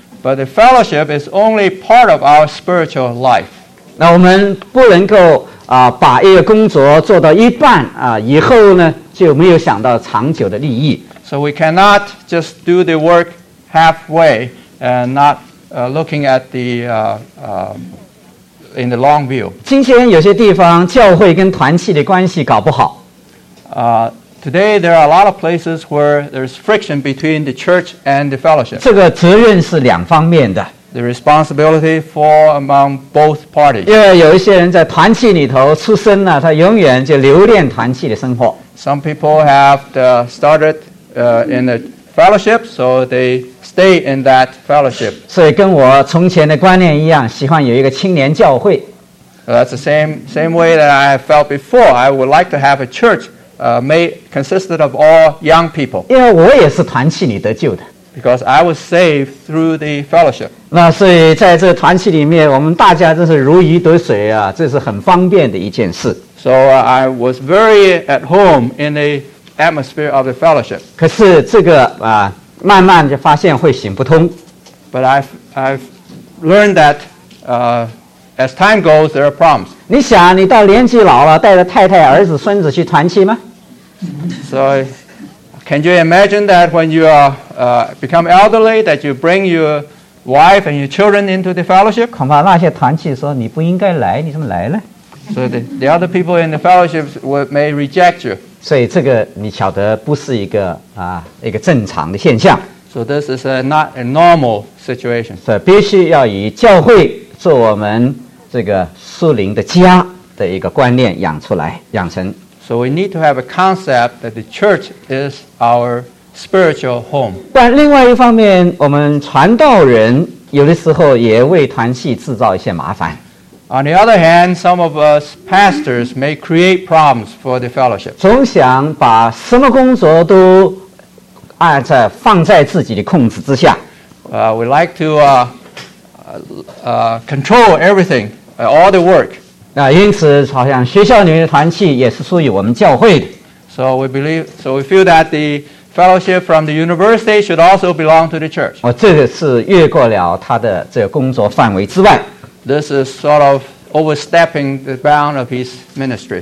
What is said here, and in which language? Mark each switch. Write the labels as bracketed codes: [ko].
[en] But the fellowship is only part of our spiritual life. [zh] 那我们不能够把一个工作做到一半以后呢就没有想到长久的利益。 [en] So we cannot just do the work halfway and not looking at the in the long view. [zh] 今天有些地方教会跟团契的关系搞不好。 [en] Today there are a lot of places where there's friction between the church and the fellowship. [zh] 这个责任是两方面的。 [en] The responsibility fall among both parties. [zh] 因为有一些人在团契里头出生了，他永远就留恋团契的生活。 [en] Some people have started in the fellowship, so they stay in that fellowship. [zh] 所以跟我从前的观念一样，喜欢有一个青年教会。 [en] That's the same way that I felt before. I would like to have a church made consisted of all young people. [zh] 因为我也是团契里得救的。 [en] Because I was saved through the fellowship. [zh] 那所以在这团契里面，我们大家真是如鱼得水啊，这是很方便的一件事。 [en] So I was very at home in the atmosphere of the fellowship. [zh] 可是这个啊，慢慢就发现会行不通。 [en] But I've learned that as time goes, there are problems. [zh] 你想，你到年纪老了，带着太太、儿子、孙子去团契吗？ [en] So can you imagine that when you are become elderly, that you bring your wife and your children into the fellowship? [zh] 恐怕那些团契说你不应该来，你怎么来了？ [en] So the other people in the fellowship may reject you. [zh] 所以这个你晓得不是一个啊一个正常的现象。 [en] So this is a not a normal situation. [zh] 所以必须要以教会做我们这个属灵的家的一个观念养出来养成。 [en] So we need to have a concept that the church is our spiritual home. [zh] 但另外一方面，我们传道人有的时候也为团契制造一些麻烦。 [en] On the other hand, some of us pastors may create problems for the fellowship. [zh] 总想把什么工作都按在放在自己的控制之下。 [en] We like to control everything, all the work. [zh] 那因此，好像学校里面的团契也是属于我们教会的。 [en] So we believe, so we feel that the fellowship from the university should also belong to the church. [zh] 我这个是越过了他的这个工作范围之外。 [en] This is sort of overstepping the bound of his ministry.